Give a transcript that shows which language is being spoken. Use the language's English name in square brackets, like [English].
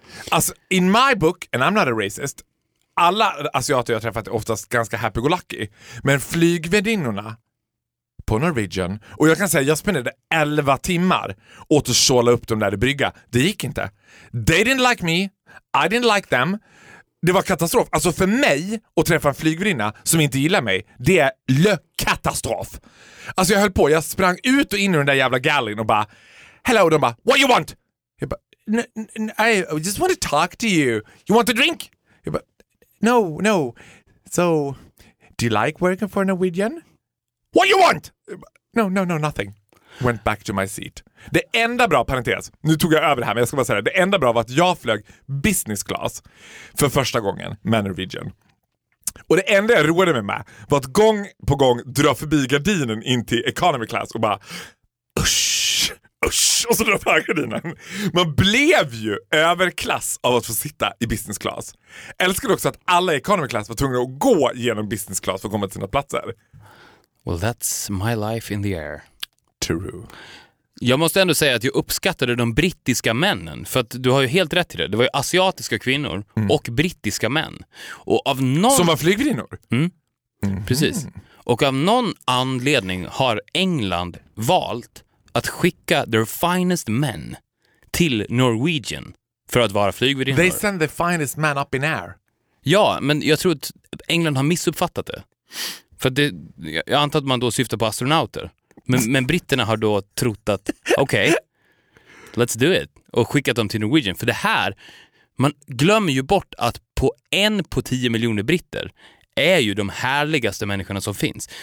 [Swedish] Alltså, [English] in my book, and I'm not a racist, [Swedish] alla asiater jag träffat är oftast ganska happy-go-lucky, men flygvärdinnorna på Norwegian, och jag kan säga, jag spenderade 11 timmar åt att såla upp dem där i brygga. Det gick inte. [English] They didn't like me. I didn't like them. [Swedish] Det var katastrof. Alltså för mig att träffa en flygvärdinna som inte gillar mig, det är lökatastrof. Alltså jag höll på, jag sprang ut och in i den där jävla gallin och bara, hello, och de bara, [English] what you want? [Swedish] Jag bara, [English] I just want to talk to you. You want a drink? [Swedish] Jag bara, [English] no, no. So, do you like working for Norwegian? What you want? No, no, no, nothing. Went back to my seat. [Swedish] Det enda bra, parentes, nu tog jag över det här, men jag ska bara säga det. Det enda bra var att jag flög business class för första gången med Norwegian. Och det enda jag roade mig med var att gång på gång dra förbi gardinen in till economy class och bara, usch, usch, och så dra förbi gardinen. Man blev ju överklass av att få sitta i business class. Älskade också att alla i economy class var tvungna att gå genom business class för att komma till sina platser. [English] Well, that's my life in the air. True. [Swedish] Jag måste ändå säga att jag uppskattade de brittiska männen, för att du har ju helt rätt i det. Det var ju asiatiska kvinnor och brittiska män. Och av någon... Som var flygvärdinnor? Mm. Precis. Och av någon anledning har England valt att skicka [English] their finest men [Swedish] till Norwegian för att vara flygvärdinnor. [English] They send the finest man up in air. [Swedish] Ja, men jag tror att England har missuppfattat det. För det, jag antar att man då syftar på astronauter. Men britterna har då trott att okej, [English] okay, let's do it. [Swedish] Och skickat dem till Norwegian. För det här, man glömmer ju bort att på 1 på 10 miljoner britter är ju de härligaste människorna som finns.